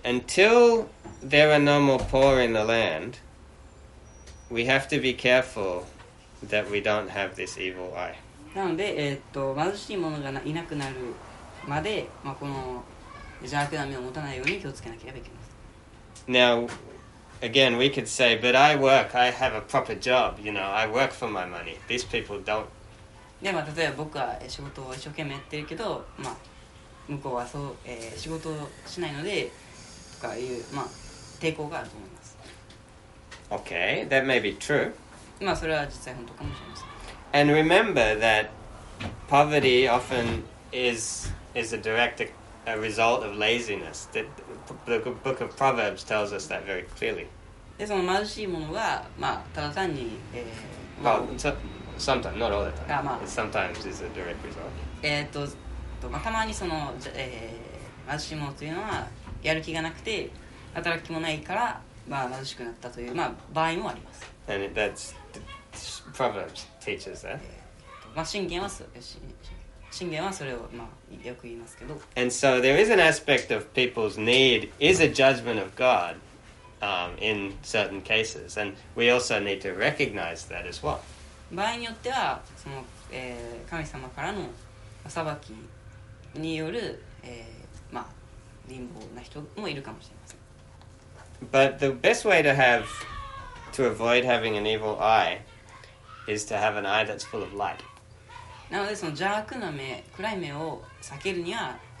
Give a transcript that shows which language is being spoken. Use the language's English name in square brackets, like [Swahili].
[English] Until there are no more poor in the land, we have to be carefulThat we don't have this evil eye. [Japanese] なので、貧しい者がいなくなるまで、まあ、この邪悪な目を持たないように気をつけなければいけません。 [English] Now, again, we could say, but I work, I have a proper job, you know, I work for my money. These people don't. [Japanese] で、まあ、例えば僕は仕事を一生懸命やってるけど、まあ、向こうはそう、仕事をしないので、とかいう、まあ、抵抗があると思います。 [English] Okay, that may be true. [Japanese] まあ、それは実際本当かもしれません。 [English] And remember that poverty often is a direct a result of laziness. The book of Proverbs tells us that very clearly. [Japanese] で、その貧しいものが、まあ、ただ単に、 [English] sometimes, not all the time. まあ、sometimes is a direct result. [Japanese] まあ、たまにその、貧しいものというのは、やる気がなくて、働く気もないから、まあ、貧しくなったという、まあ、場合もあります。 [English] And that's... Proverbs teaches that. [Japanese] まあ箴言はそれ、箴言はそれをまあよく言いますけど。 [English] And so there is an aspect of people's need is a judgment of God, in certain cases, and we also need to recognize that as well. [Japanese] 場合によってはその、神様からの裁きによる、まあ貧乏な人もいるかもしれません。 [English] But the best way to avoid having an evil eye. Is to have an eye that's full of light. [Japanese] なのでその邪悪な目、暗い目を避けるには、